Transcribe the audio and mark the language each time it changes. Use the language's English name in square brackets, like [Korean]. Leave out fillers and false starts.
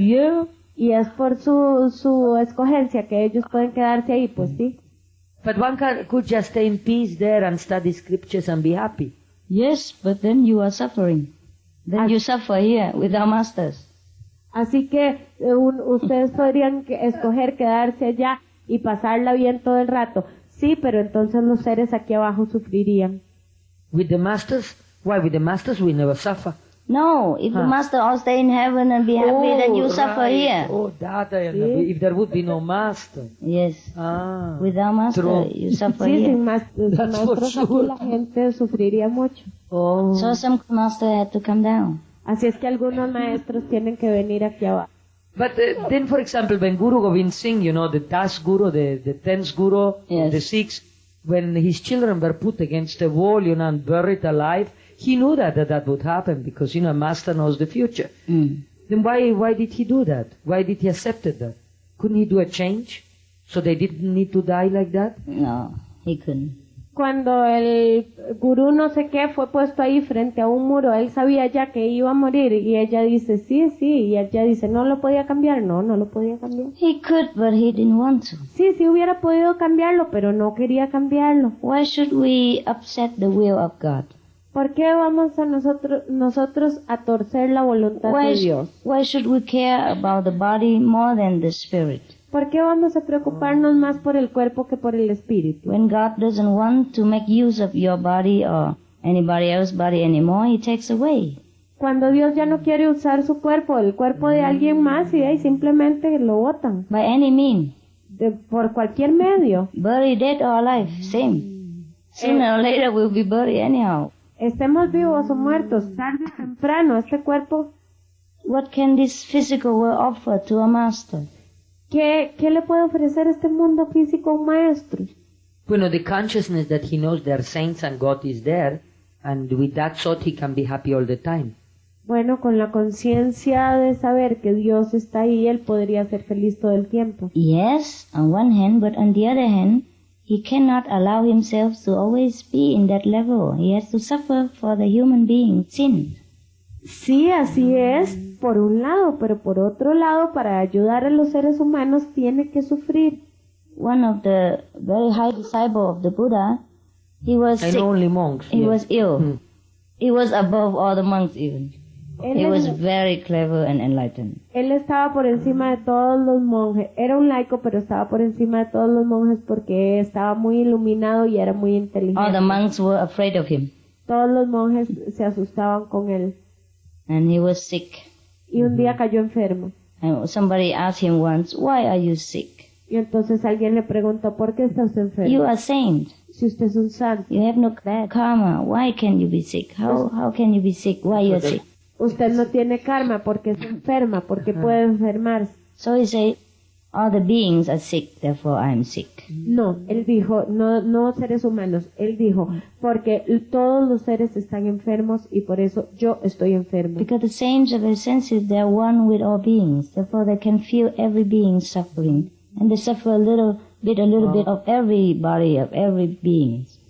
[Spanish] Yeah. Y es por su escogencia que ellos pueden quedarse ahí, pues sí. [English] But one could just stay in peace there and study scriptures and be happy. Yes, but then you are suffering. Then you suffer here with our masters. [Spanish] Así que ustedes podrían escoger quedarse allá y pasarla bien todo el rato. Sí, pero entonces los seres aquí abajo sufrirían. [English] With the masters? Why with the masters we never suffer? No, if the master all stay in heaven and be happy, then you suffer here. Oh, Dada, if there would be no master. Yes. Ah. Without master, true. You suffer [Spanish] sí, [English] here. [Spanish] Sin [English] master, that's for sure. [Spanish] La gente sufriría mucho. Oh. [English] So some master had to come down. [Spanish] Así es que algunos maestros tienen que venir aquí abajo. [English] But then, for example, when Guru Gobind Singh, you know, the Das Guru, the tenth Guru, yes, the Sikhs, when his children were put against the wall, you know, and buried alive, he knew that would happen because, you know, a master knows the future. Mm. Then why did he do that? Why did he accept that? Couldn't he do a change so they didn't need to die like that? No, he couldn't. [Spanish] Cuando el gurú no sé qué fue puesto ahí frente a un muro, él sabía ya que iba a morir y ella dice, sí, sí, y ella dice, no lo podía cambiar, no lo podía cambiar. [English] He could, but he didn't want to. [Spanish] Sí, sí hubiera podido cambiarlo, pero no quería cambiarlo. [English] Why should we upset the will of God? [Spanish] ¿Por qué vamos a nosotros a torcer la voluntad de Dios? [English] Why should we care about the body more than the spirit? [Spanish] ¿Por qué vamos a preocuparnos más por el cuerpo que por el espíritu? [English] When God doesn't want to make use of your body or anybody else's body anymore, he takes away. [Spanish] Cuando Dios ya no quiere usar su cuerpo, el cuerpo de alguien más, y ahí simplemente lo botan. [English] By any means. [Spanish] Por cualquier medio. [English] Buried, dead or alive, same. Sooner or later we'll be buried anyhow. [Spanish] Estemos vivos o muertos, tarde o temprano, este cuerpo. [English] What can this physical world offer to a master? [Spanish] ¿Qué le puede ofrecer este mundo físico a un maestro? Bueno, [English] the consciousness that he knows there are saints and God is there, and with that thought he can be happy all the time. [Spanish] Bueno, con la conciencia de saber que Dios está ahí, él podría ser feliz todo el tiempo. [English] Yes, on one hand, but on the other hand, he cannot allow himself to always be in that level. He has to suffer for the human being, sin. [Spanish] Sí, así es, por un lado, pero por otro lado, para ayudar a los seres humanos, tiene que sufrir. [English] One of the very high disciples of the Buddha, he was sick. And only monks. He was ill. He was above all the monks even. He was very clever and enlightened. [Spanish] Él estaba por encima de todos los monjes. Era un laico, pero estaba por encima de todos los monjes porque estaba muy iluminado y era muy inteligente. [English] All the monks were afraid of him. [Spanish] Todos los monjes se asustaban con él. [English] And he was sick. [Spanish] Y un día cayó enfermo. [English] And somebody asked him once, why are you sick? [Spanish] Y entonces alguien le preguntó, ¿por qué estás enfermo? [English] You are saint. [Spanish] Si usted es un santo. [English] You have no karma. Why can you be sick? How can you be sick? Why are you sick? [Spanish] Usted no tiene karma porque es enferma, porque puede enfermarse. [English] So he said, all the beings are sick, therefore I am sick. [Spanish] No, él dijo, no seres humanos, él dijo, porque todos los seres están enfermos y por eso yo estoy enfermo. [English] Because the saints are very sensitive, they are one with all beings, therefore they can feel every being suffering. And they suffer a little bit of every body, of every being.